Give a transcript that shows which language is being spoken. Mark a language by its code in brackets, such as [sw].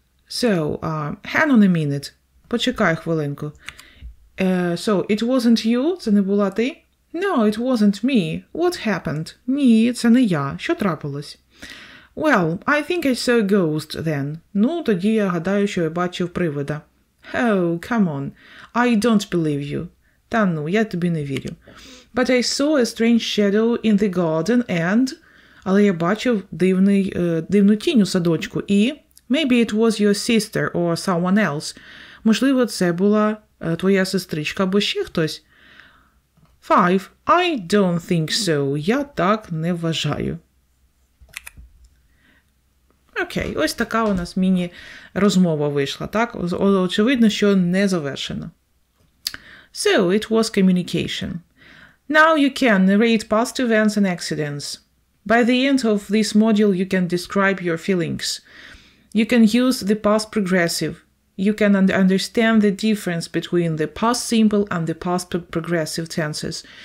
[en] So, hang on a minute. [uk] Почекай хвилинку. [en] So, it wasn't you? [uk] Це не була ти? [en] No, it wasn't me. What happened? [uk] Ні, це не я. Що трапилось? [en] Well, I think I saw a ghost then. [uk] Ну, тоді я гадаю, що я бачив привида. [en] Oh, come on. I don't believe you. [uk] Та ну, я тобі не вірю. [en] But I saw a strange shadow in the garden and... [uk] Але я бачив дивну тінь у садочку і... [en] Maybe it was your sister or someone else. [uk] Можливо, це була твоя сестричка або ще хтось. [en] Five. I don't think so. [uk] Я так не вважаю. Окей, ось така у нас міні-розмова вийшла, так? Очевидно, що не завершена. [en] So, it was communication. Now you can narrate past events and accidents. By the end of this module, you can describe your feelings. You can use the past progressive. You can understand the difference between the past simple and the past progressive tenses.